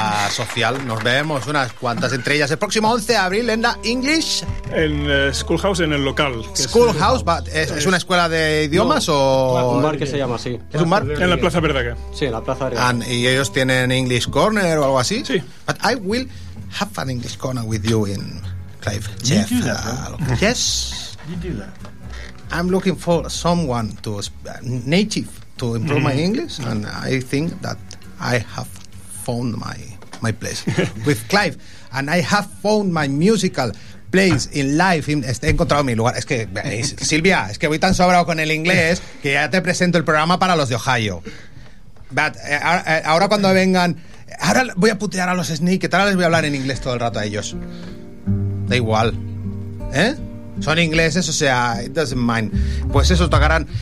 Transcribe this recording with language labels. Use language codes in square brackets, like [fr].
[es] Social, nos vemos unas cuantas, entre ellas el próximo 11 de abril en la English en Schoolhouse, en el local Schoolhouse. ¿Es una escuela de idiomas? No, un bar que se llama así. ¿Es un bar? En la Plaza Verdaguer. Sí, en la Plaza Verdaguer. ¿Y ellos tienen English Corner o algo así? Sí. [en] But I will have an English Corner with you in Clive. Did Jeff, you do that, okay. Yes, you do that. I'm looking for someone to native to improve my English, and I think that I have found my place with Clive, and I have found my musical place in life. [es] He encontrado mi lugar. Es que Silvia, es que voy tan sobrado con el inglés que ya te presento el programa para los de Ohio. But ahora cuando vengan, ahora voy a putear a los Sneak, ahora les voy a hablar en inglés todo el rato a ellos. Da igual, ¿eh? Son ingleses, o sea, [en] it doesn't mind. [es] Pues eso, tocarán.